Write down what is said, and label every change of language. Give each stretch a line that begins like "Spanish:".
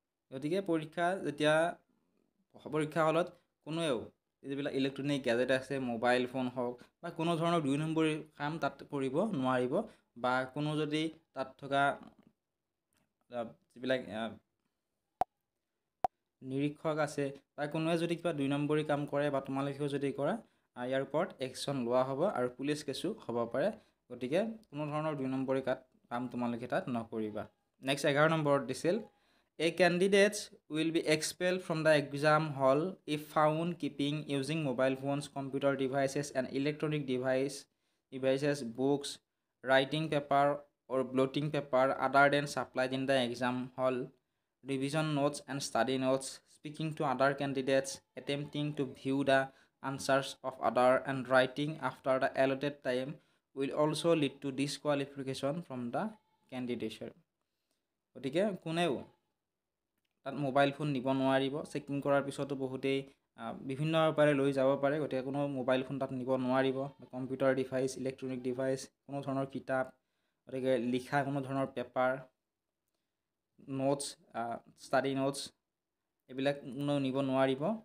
Assamese: গতিকে পৰীক্ষা যেতিয়া পৰীক্ষা হলত কোনেও যিবিলাক ইলেকট্ৰনিক গেজেট আছে মোবাইল ফোন হওক বা কোনো ধৰণৰ 2 নম্বৰী কাম তাত কৰিব নোৱাৰিব বা কোনো যদি তাত থকা যিবিলাক নিৰীক্ষক আছে বা কোনোৱে যদি কিবা 2 নম্বৰী কাম কৰে বা তোমালোকেও যদি কৰা ইয়াৰ ওপৰত একশ্যন লোৱা হ'ব আৰু পুলিচ কেছো হ'ব পাৰে। গতিকে কোনো ধৰণৰ 2 নম্বৰী কাম তোমালোকে তাত নকৰিবা। নেক্সট 11 নম্বৰত দিছিল
English: a candidate will be expelled from the exam hall if found keeping using mobile phones, computer devices and electronic devices, books, writing paper or blotting paper other than supplied in the exam hall, revision notes and study notes, speaking to other candidates, attempting to view the answers of other and writing after the allotted time will also lead to disqualification from the candidature.
Assamese: গতিকে কোনেও তাত mobile phone নিব নোৱাৰিব। Checking কৰাৰ পিছতো বহুতেই বিভিন্ন উপায়েৰে লৈ যাব পাৰে। গতিকে কোনো মোবাইল ফোন তাত নিব নোৱাৰিব, কম্পিউটাৰ ডিভাইচ, ইলেক্ট্ৰনিক ডিভাইচ, কোনো ধৰণৰ কিতাপ, গতিকে লিখা কোনো ধৰণৰ পেপাৰ, নোটছ, ষ্টাডি নোটছ এইবিলাক কোনো নিব নোৱাৰিব।